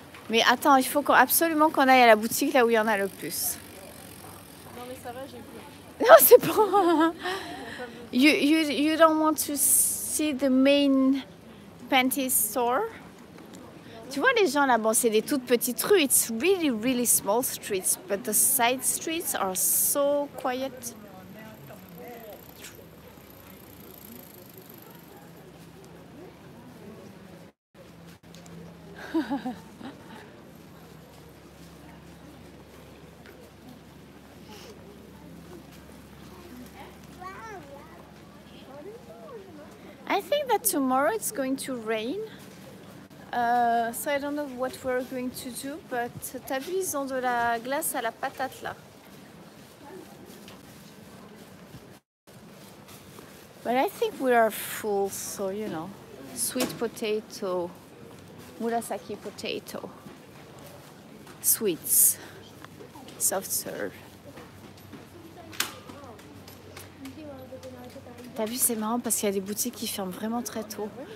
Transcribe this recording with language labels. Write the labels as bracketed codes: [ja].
[fr] Mais attends, il faut absolument qu'on aille à la boutique là où il y en a le plus. Non, mais ça va, j'ai plus. Non, c'est bon. [en] You don't want to see the main panty store? [fr] Tu vois les gens là, bon, c'est des toutes petites rues. [en] It's really, really small streets, but the side streets are so quiet. I think that tomorrow it's going to rain, so I don't know what we're going to do, but [fr] t'as vu, ils ont de la glace à la patate là. [en] But I think we are full, so you know, sweet potato, murasaki potato, sweets, soft serve. [fr] T'as vu, c'est marrant parce qu'il y a des boutiques qui ferment vraiment très tôt.